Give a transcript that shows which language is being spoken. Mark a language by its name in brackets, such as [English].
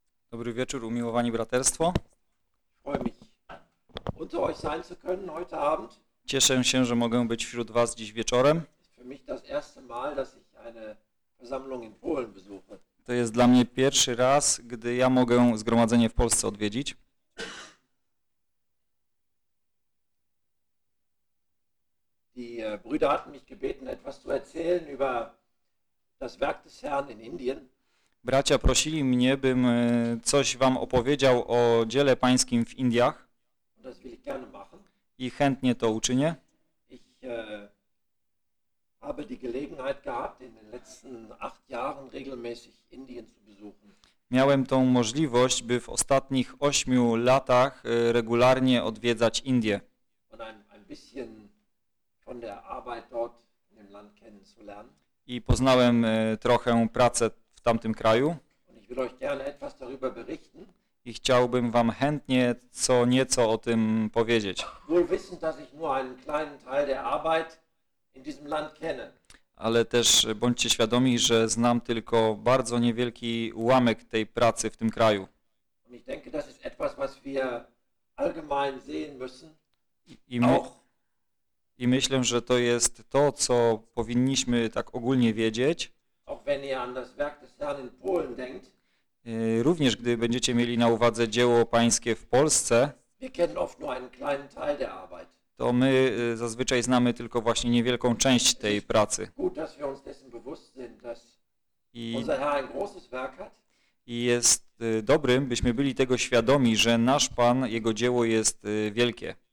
[Polish] Dobry wieczór, umiłowani braterstwo. [German] Freue mich, unter euch sein zu können heute Abend. [Polish] Cieszę się, że mogę być wśród was dziś wieczorem. [German] Für mich das erste Mal, dass ich eine Versammlung in Polen besuche. [Polish] To jest dla mnie pierwszy raz, gdy ja mogę zgromadzenie w Polsce odwiedzić. [German] Die Brüder hatten mich gebeten, etwas zu erzählen über das Werk des Herrn in Indien. [Polish] Bracia prosili mnie, bym coś wam opowiedział o dziele pańskim w Indiach. [German] Das will ich gerne machen. [Polish] I chętnie to uczynię. [German] Ich habe die Gelegenheit gehabt, in den letzten 8 Jahren regelmäßig Indien zu besuchen. [Polish] Miałem tą możliwość, by w ostatnich 8 latach regularnie odwiedzać Indie. [German] Und ein bisschen von der Arbeit dort in dem Land kennenzulernen. [Polish] I poznałem trochę pracę w tamtym kraju. [German] Ich will euch gerne etwas darüber berichten. [Polish] I chciałbym wam chętnie co nieco o tym powiedzieć. [German] Wohl wissend, dass ich nur einen kleinen Teil der Arbeit in diesem Land kenne. [Polish] Ale też bądźcie świadomi, że znam tylko bardzo niewielki ułamek tej pracy w tym kraju. [German] Und ich denke, das ist etwas, was wir allgemein sehen müssen. [Polish] I myślę, że to jest to, co powinniśmy tak ogólnie wiedzieć. [German] Auch wenn ihr an das Werk des Herrn in Polen denkt. [Polish] Również gdy będziecie mieli na uwadze dzieło pańskie w Polsce, [German] wir kennen oft nur einen kleinen Teil der Arbeit. [Polish] To my zazwyczaj znamy tylko właśnie niewielką część tej pracy. [German] Gut, dass wir uns dessen bewusst sind, dass unser Herr ein großes Werk hat. [Polish] I jest dobrym, byśmy byli tego świadomi, że nasz Pan, jego dzieło jest wielkie.